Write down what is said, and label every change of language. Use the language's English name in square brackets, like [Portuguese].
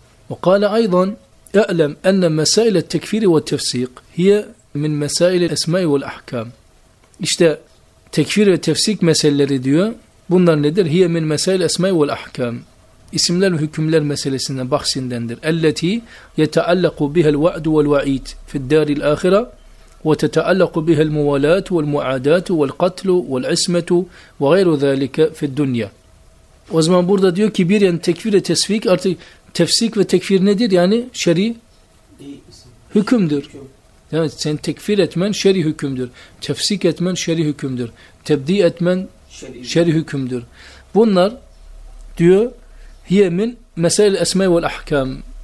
[Arabic] وَقَالَ اَيْضًا اَعْلَمْ اَنَّ مَسَائِلَ التَّكْفِيرِ وَالتَّفْسِيقِ هِيَ مِنْ مَسَائِلِ الْاَسْمَاءِ وَالْاَحْكَامِ. [Turkish] İşte tekfir ve tefsik meseleleri diyor. Bunlar nedir? [Arabic] هِيَ مِنْ مَسَائِلِ الْاَسْمَاءِ وَالْاَحْكَامِ. [Turkish] İsimler ve hükümler meselesinden, bahsindendir. [Arabic] اَلَّتِي يَتَعَلَّقُ بِهَا الْوَعْدُ وَالْوَعِيدِ فِي الدَّارِ الْآخِرَةِ وتتعلق بها الموالاة والمعاداة والقتل والعصمة وغير ذلك في الدنيا. [Turkish] O zaman burada diyor ki bir, yani tekfir ve tesfik, artık tefsik ve tekfir nedir? Yani şer'i hükümdür. Yani sen tekfir etmen şer'i hükümdür. Tefsik etmen şer'i hükümdür. Tebdi etmen şer'i hükümdür. Bunlar diyor [Arabic] hiye min mesel esme ve ahkam.